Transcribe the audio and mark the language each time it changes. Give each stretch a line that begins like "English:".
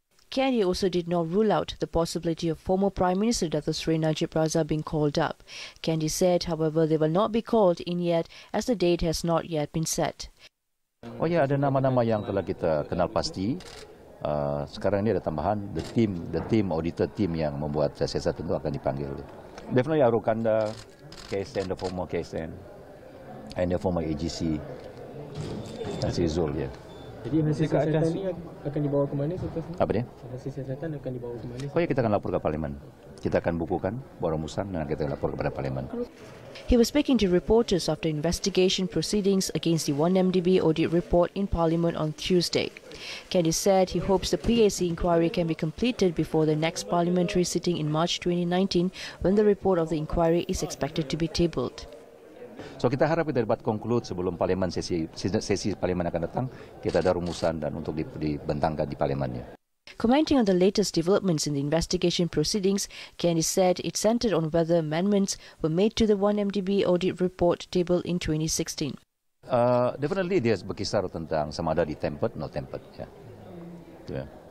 English: Kiandi also did not rule out the possibility of former Prime Minister Dato Sri Najib Razak being called up. Kiandi said, however, they will not be called in yet as the date has not yet been set.
Malay: Oh ya, ada nama-nama yang telah kita kenal pasti. Sekarang ini ada tambahan,
English: the team auditor team
Malay: yang membuat siasat tentu akan dipanggil.
English: Definitely Arulkanda, KSN, the former KSN, and the former AGC, Tan Sri Zul, ya. Yeah.
Malay: Jadi MNC siasatan ini akan dibawa ke mana selepas ini? Apa dia? MNC siasatan akan dibawa ke mana? Oh ya, kita akan lapor ke Parlimen. Kita akan bukukan borang musang dan kita akan lapor kepada Parlimen.
English: He was speaking to reporters after investigation proceedings against the 1MDB audit report in Parliament on Tuesday. Kiandi said he hopes the PAC inquiry can be completed before the next parliamentary sitting in March 2019 when the report of the inquiry is expected to be tabled.
Malay: So kita harap kita dapat konklud sebelum parlimen sesi parlimen akan datang, kita ada rumusan dan untuk dibentangkan di parlimennya.
English: Commenting on the latest developments in the investigation proceedings, Kiandi said it centered on whether amendments were made to the 1MDB audit report table in 2016.
Malay: Definitely dia berkisar tentang sama ada di tempered, no tempered. Yeah. Yeah.